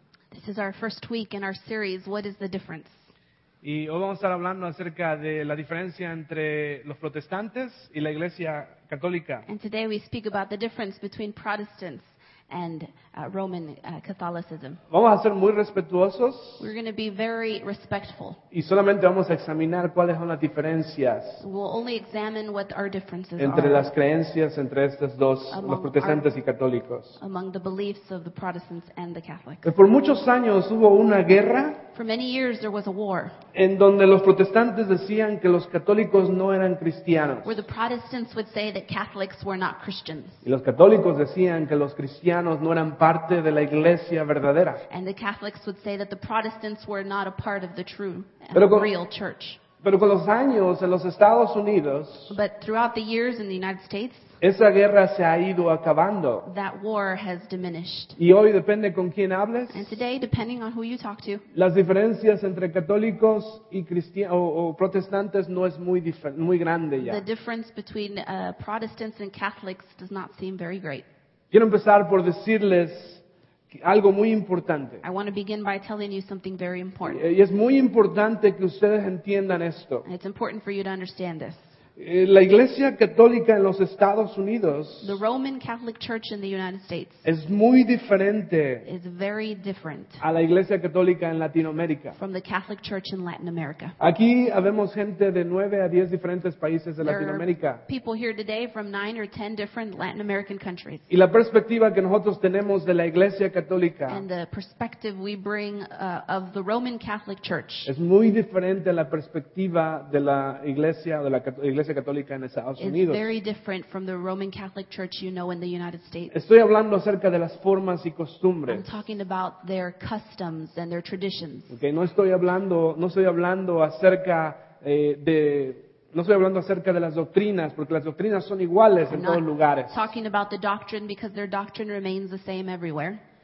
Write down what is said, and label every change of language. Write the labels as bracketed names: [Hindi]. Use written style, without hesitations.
[English] This is our first week in our series, What is the Difference? [Spanish] Y hoy vamos a estar hablando acerca de la diferencia entre los protestantes y la iglesia católica. [English] And today we speak about the difference between Protestants and Roman Catholicism. [Spanish] Vamos a ser muy respetuosos. [English] We're going to be very respectful. [Spanish] Y solamente vamos a examinar cuáles son las diferencias. [English] We'll only examine what our differences [Spanish] entre [English] are. [Spanish] Entre las creencias entre estos dos, los protestantes y católicos. [English] Among the beliefs of the Protestants and the Catholics. [Spanish] Y por muchos años hubo una guerra. [English] For many years there was a war. [Spanish] En donde los protestantes decían que los católicos no eran cristianos. [English] Where the Protestants would say that Catholics were not Christians. [Spanish] Y los católicos decían que los cristianos no eran parte de la iglesia verdadera. [English] And the Catholics would say that the Protestants were not a part of the true and real church. [Spanish] Pero con los años en los Estados Unidos, [English] but throughout the years in the United States, [Spanish] esa guerra se ha ido acabando. [English] That war has diminished. [Spanish] Y hoy depende con quién hables. [English] And today, depending on who you talk to, [Spanish] las diferencias entre católicos y protestantes no es muy grande ya. [English] The difference between Protestants and Catholics does not seem very great. [Spanish] Quiero empezar por decirles algo muy importante. [English] I want to begin by telling you something very important. [Spanish] Y es muy importante que ustedes entiendan esto. [English] And it's important for you to understand this. [Spanish] La Iglesia Católica en los Estados Unidos, [English] the Roman Catholic Church in the United States, [Spanish] es muy diferente, [English] is very different, [Spanish] a la Iglesia Católica en Latinoamérica. [English] From the Catholic Church in Latin America. [Spanish] Aquí habemos gente de 9 a 10 diferentes países de Latinoamérica. [English] There are people here today from 9 or 10 different Latin American countries. [Spanish] Y la perspectiva que nosotros tenemos de la Iglesia Católica, [English] and the perspective we bring of the Roman Catholic Church, [Spanish] es muy diferente a la perspectiva de la Iglesia o de la Iglesia Católica en Estados Unidos. [English] It's very different from the Roman Catholic Church you know in the United States. [Spanish] Estoy hablando acerca de las formas y costumbres. [English] I'm talking about their customs and their traditions. [Spanish] Okay, no estoy hablando acerca de las doctrinas, porque las doctrinas son iguales en todos lugares. [English] I'm talking about the doctrine because their doctrine remains the same everywhere.